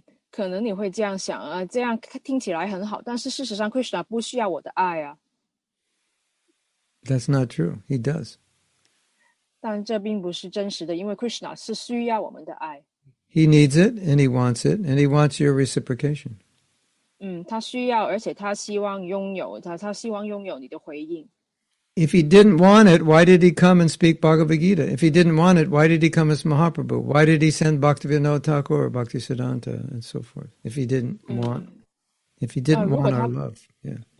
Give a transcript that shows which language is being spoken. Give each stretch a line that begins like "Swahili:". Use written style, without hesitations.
Chinese: 可能你会这样想，这样听起来很好，但是事实上Krishna不需要我的爱啊。That's
English: not true. He does.
Chinese: 但这并不是真实的，因为Krishna是需要我们的爱。He
English: needs it, and he wants it, and he wants your reciprocation.
Chinese: 他需要，而且他希望拥有，他希望拥有你的回应。If
English: he didn't want it, why did he come and speak Bhagavad Gita? If he didn't want it, why did he come as Mahaprabhu? Why did he send Bhaktivinoda Thakur or Bhaktisiddhanta and so forth? If he didn't want our love. Yeah.